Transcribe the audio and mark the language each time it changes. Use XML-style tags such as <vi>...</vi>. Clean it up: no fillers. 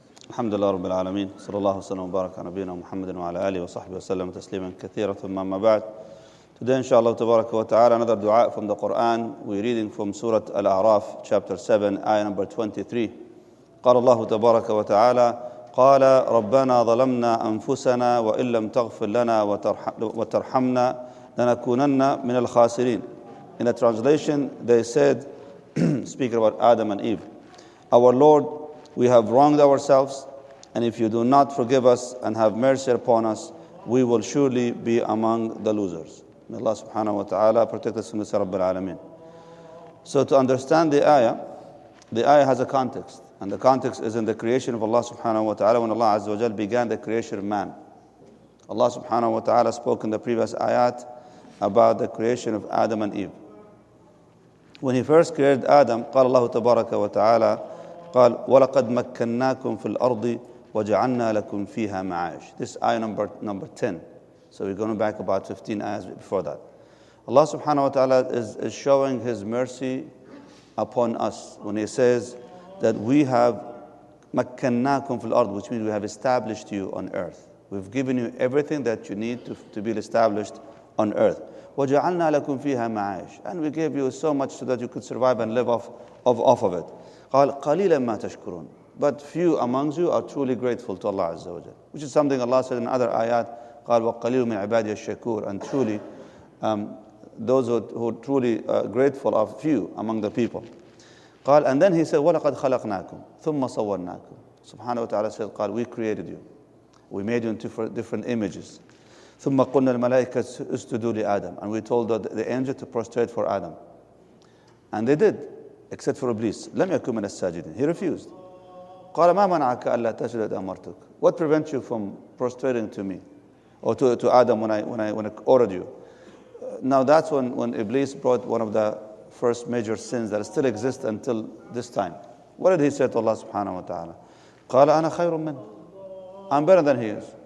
<ar>الحمد لله رب العالمين صلى الله وسلم وبارك على نبينا محمد وعلى آله وصحبه وسلم تسليما كثيرا ثم ما بعد.</ar> <en>Today inshallah</en> <ar>تبارك وتعالى</ar> <en>another dua from the Quran. We're reading from Surah Al-A'raf chapter 7 ayah number 23.</en> <ar>قال الله تبارك وتعالى قال ربنا ظلمنا أنفسنا وإن لم تغفر لنا وترحمنا لنكونن من الخاسرين.</ar> <en>In a translation they said speaking about Adam and Eve, our Lord, we have wronged ourselves, and if you do not forgive us and have mercy upon us, we will surely be among the losers. May Allah subhanahu wa ta'ala protect us from the Rabbil Alameen. So to understand the ayah has a context, and the context is in the creation of Allah subhanahu wa ta'ala when Allah azza wa jal began the creation of man. Allah subhanahu wa ta'ala spoke in the previous ayat about the creation of Adam and Eve. When he first created Adam,</en> <ar>قال الله تبارك وتعالى قال ولقد مكناكم في الأرض وجعلنا لكم فيها معاش.</ar> <en>This ayah number 10. So we're going back about 15 ayahs before that. Allah subhanahu wa ta'ala is showing His mercy upon us when He says that we have</en> <ar>مكناكم في الأرض,</ar> <en>which means we have established you on earth. We've given you everything that you need to be established on earth.</en> <ar>وجعلنا لكم فيها معاش,</ar> <en>and we gave you so much so that you could survive and live off of it.</en> <ar>قال قليلا ما تشكرون,</ar> <en>but few amongst you are truly grateful to Allah Azza wa Jal, which is something Allah said in other ayat.</en> <ar>قال وقليل من عبادي الشكور,</ar> <en>and truly those who are truly grateful are few among the people.</en> <ar>قال,</ar> <en>and then he said</en> <ar>ولقد خلقناكم ثم صورناكم. سبحانه وتعالى</ar> <en>said, قال, we created you, we made you into different images.</en> <ar>ثم قلنا الملائكة استدوا لآدم,</ar> <en>and we told the angel to prostrate for Adam, and they did. Except for Iblis,</en> <ar>لم يكن من الساجدين.</ar> <en>He refused.</en> <ar>قال ما منعك ألا تسجد إذ أمرتك.</ar> <en>What prevents you from prostrating to me, or to Adam when I ordered you? Now that's when Iblis brought one of the first major sins that still exist until this time. What did he say to Allah Subhanahu wa Taala?</en> <ar>قال أنا خير من.</ar> <en>I'm better than he is.</en>